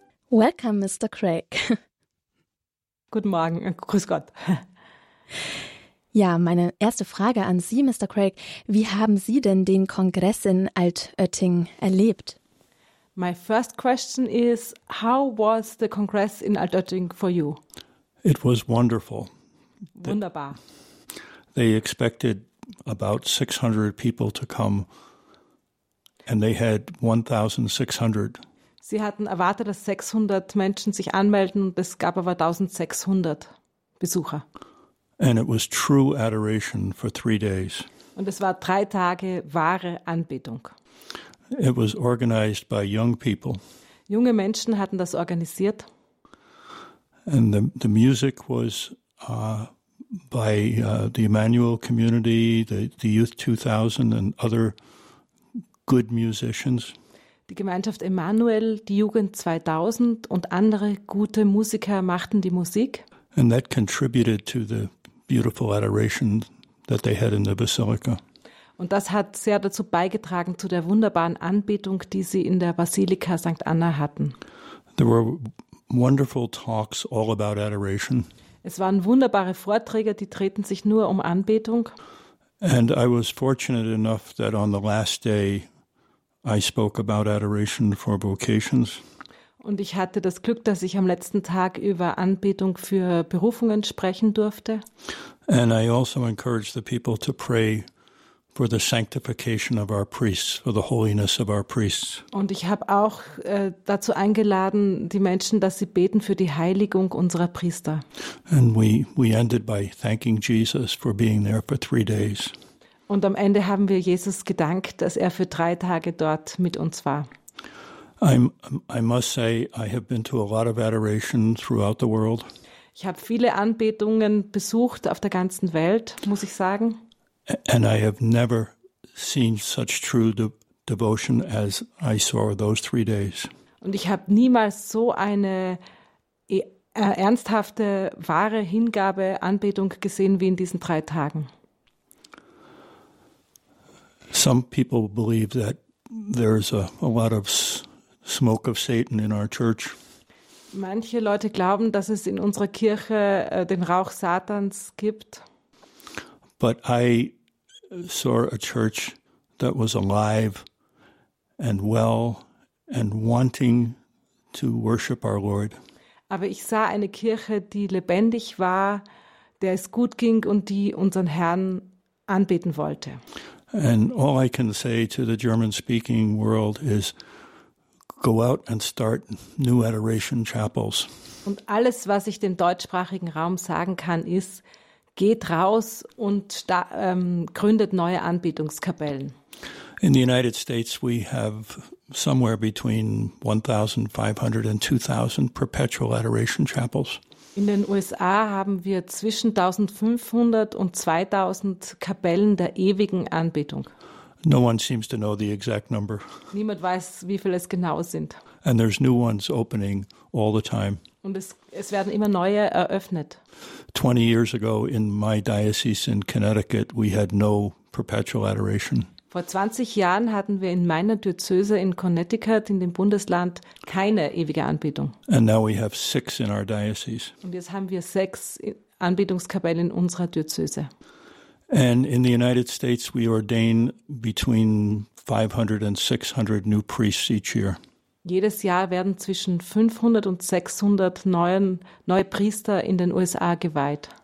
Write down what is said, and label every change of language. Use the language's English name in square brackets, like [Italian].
[English] Welcome, Mr. Craig. [German] Guten Morgen, grüß Gott. Ja, meine erste Frage an Sie, Mr. Craig. Wie haben Sie denn den Kongress in Altötting erlebt? [English] My first question is, how was the Congress in Altötting for you? It was wonderful. [German] Wunderbar. [English] They expected about 600 people to come, and they had 1,600. [German] Sie hatten erwartet, dass 600 Menschen sich anmelden, und es gab aber 1,600 Besucher. [English] And it was true adoration for 3 days. [German] Und es war 3 Tage wahre Anbetung. [English] It was organized by young people. [German] Junge Menschen hatten das organisiert. [English] And the music was by the Emmanuel community, the Youth 2000 and other good musicians. [German] Die Gemeinschaft Emmanuel, die Jugend 2000 und andere gute Musiker machten die Musik. [English] And that contributed to the beautiful adoration that they had in the Basilica. [German] Und das hat sehr dazu beigetragen, zu der wunderbaren Anbetung, die sie in der Basilika St. Anna hatten. [English] There were wonderful talks all about adoration. [German] Es waren wunderbare Vorträge, die drehten sich nur um Anbetung. [English] And I was fortunate enough that on the last day I spoke about adoration for vocations. [German] Und ich hatte das Glück, dass ich am letzten Tag über Anbetung für Berufungen sprechen durfte. [English] And I also encouraged the people to pray for the sanctification of our priests, for the holiness of our priests. [German] Und ich habe auch dazu eingeladen, die Menschen, dass sie beten für die Heiligung unserer Priester. [English] And we ended by thanking Jesus for being there for 3 days. [German] Und am Ende haben wir Jesus gedankt, dass er für 3 Tage dort mit uns war. [English] I must say, I have been to a lot of adoration throughout the world. [German] Ich habe viele Anbetungen besucht auf der ganzen Welt, muss ich sagen. [English] And I have never seen such true devotion as I saw those 3 days. [German] Und ich habe niemals so eine ernsthafte, wahre Hingabe, Anbetung gesehen wie in diesen 3 Tagen. [English] Some people believe that there's a lot of smoke of Satan in our church. [German] Manche Leute glauben, dass es in unserer Kirche den Rauch Satans gibt. [English] But I saw a church that was alive and well and wanting to worship our Lord. [German] Aber ich sah eine Kirche, die lebendig war, der es gut ging und die unseren Herrn anbeten wollte. [English] And all I can say to the German-speaking world is, go out and start new adoration chapels. [German] Und alles, was ich dem deutschsprachigen Raum sagen kann, ist, geht raus und gründet neue Anbetungskapellen. [English] In the United States we have somewhere between 1,500 and 2,000 perpetual adoration chapels. [German] In den USA haben wir zwischen 1500 und 2000 Kapellen der ewigen Anbetung. [English] No one seems to know the exact number. [German] Niemand weiß, wie viele es genau sind. [English] And there's new ones opening all the time. [German] Und es werden immer neue eröffnet. [English] 20 years ago in my diocese in Connecticut, we had no perpetual adoration. [German] Vor 20 Jahren hatten wir in meiner Diözese in Connecticut, in dem Bundesland, keine ewige Anbetung. [English] And now we have 6 in our diocese. [German] Und jetzt haben wir 6 Anbetungskapellen in unserer Diözese. [English] And in the United States we ordain between 500 and 600 new priests each year. [German] Jedes Jahr werden zwischen 500 und 600 neue Priester in den USA geweiht.